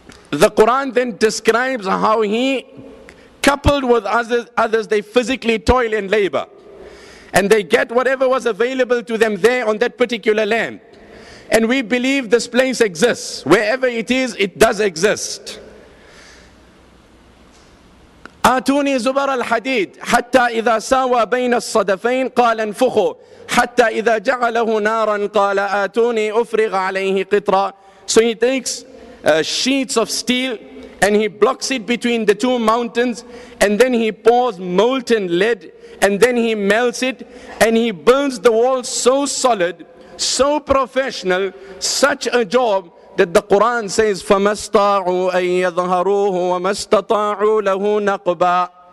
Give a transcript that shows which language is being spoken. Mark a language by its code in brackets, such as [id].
[en] The Quran then describes how he, coupled with others, they physically toil and labor. And they get whatever was available to them there on that particular land. And we believe this place exists. Wherever it is, it does exist. [ar] آتوني زبر الحديد حتى إذا ساوى بين الصدفين قال انفخوا حتى إذا جعله نارا قال آتوني أفرغ عليه قطرا. [en] So he takes sheets of steel and he blocks it between the two mountains and then he pours molten lead and then he melts it and he burns the wall so solid, so professional, such a job that the Quran says, [ar] فَمَسْتَاعُوا أَن يَظْهَرُوهُ وَمَسْتَطَاعُوا لَهُ نَقْبًا.